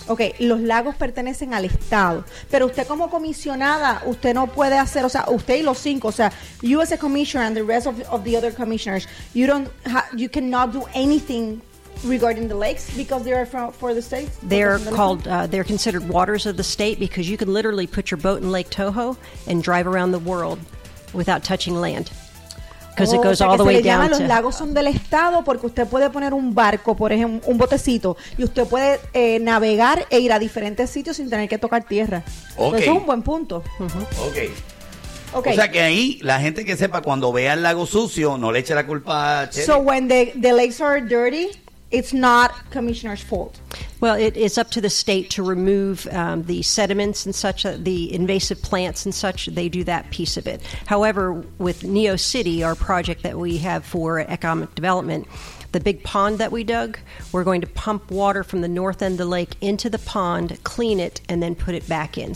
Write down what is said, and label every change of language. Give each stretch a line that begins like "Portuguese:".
Spanish: Okay, los lagos pertenecen al estado. Pero usted como comisionada, usted no puede hacer, o sea, usted y los cinco, o sea,
English: you as a commissioner and the rest of the other commissioners, you don't, you cannot do anything regarding the lakes because they are for the state? They're called, they're considered waters of the state because you can literally put your boat in Lake Toho and drive around the world without touching land. Because it goes all the way down to...
Spanish: Los lagos son del estado porque usted puede poner un barco, por ejemplo, un botecito, y usted puede navegar e ir a diferentes sitios sin tener que tocar tierra.
English: Okay.
Spanish: Eso es un buen punto. Okay. O sea que ahí, la gente que sepa, cuando vea el lago sucio, no le eche la culpa a Cherry.
English: So when the lakes are dirty, it's not commissioner's fault. Well, it's up to the state to remove the sediments and such, the invasive plants and such. They do that piece of it. However, with Neo City, our project that we have for economic development, the big pond that we dug, we're going to pump water from the north end of the lake into the pond, clean it, and then put it back in.